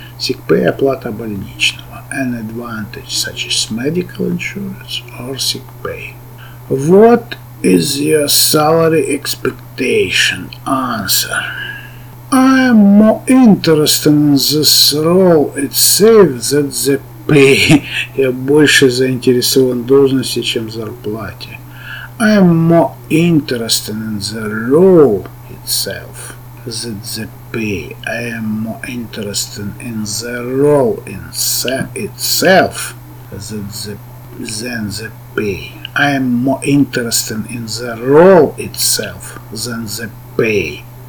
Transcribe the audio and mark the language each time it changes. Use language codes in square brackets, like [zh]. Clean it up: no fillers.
[en] Sick pay – [ru] оплата больничного. [en] An advantage such as medical insurance or sick pay. What is your salary expectation? Answer. I am more interested in this role itself than the pay. [ru] Я больше заинтересован должности, чем зарплате. [en] I am more interested in the role itself than the pay. I am more interested in the role itself than the pay. I am more interested in the role itself than the pay.